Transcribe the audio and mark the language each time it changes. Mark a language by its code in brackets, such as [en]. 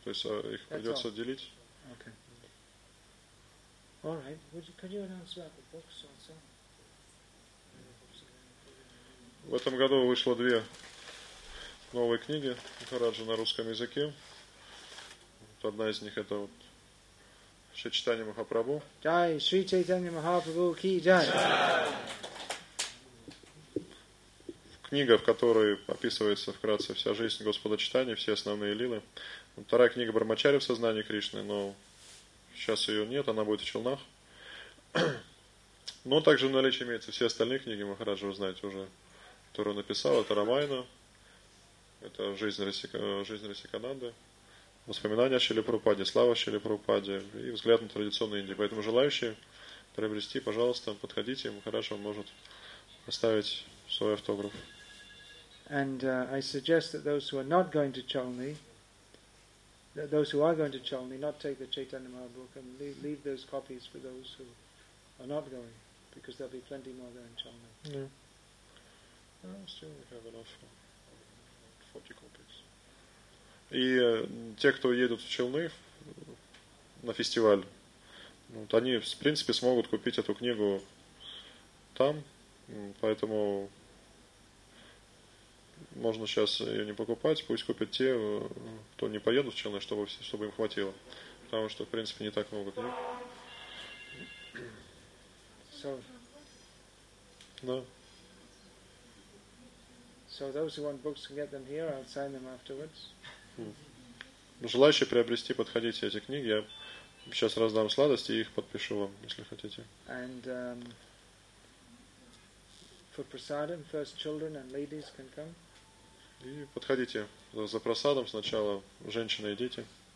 [ru] То есть их [en] That's [ru] придется [en] all. [ru] Делить? [en] Okay. All right. Could you announce about the books also? [ru] В этом году вышло две новые книги Махараджи на русском языке. Вот одна из них — это вот Шри Чайтанья Махапрабху. [hi] Jai, Shri Chaitanya Mahaprabhu ki jai. [ru] Книга, в которой описывается вкратце вся жизнь Господа Чайтаньи, все основные лилы. Вторая книга — «Брахмачари в сознании Кришны», но сейчас ее нет, она будет в Челнах. Но также в наличии имеются все остальные книги Махараджи, вы знаете уже, которые он написал. Это «Рамайна», это «Жизнь Расикананды», «Воспоминания о Шриле Прабхупаде», «Слава Шриле Прабхупаде» и «Взгляд на традиционную Индию». Поэтому желающие приобрести, пожалуйста, подходите, Махараджи вам может оставить свой автограф. [en] And I suggest that those who are not going to Chalni, that those who are going to Chalni, not take the Chaitanya Mahaprabhu book and leave those copies for those who are not going, because there'll be plenty more there in Chalni. Yeah. Still, we have enough 40 copies. [ru] И те, кто едут в Чалны на фестиваль, вот они, в принципе, смогут купить эту книгу там, поэтому можно сейчас ее не покупать, пусть купят те, кто не поедут в Челны, чтобы им хватило. Потому что, в принципе, не так много. Да? [en] So, [ru] да. [en] So those who want books can get them here, I'll sign them afterwards. [ru] Желающие приобрести, подходите, эти книги. Я сейчас раздам сладости и их подпишу вам, если хотите. [en] And, for prasadam, first children and ladies can come. [ru] И подходите за просадом сначала, женщины и дети.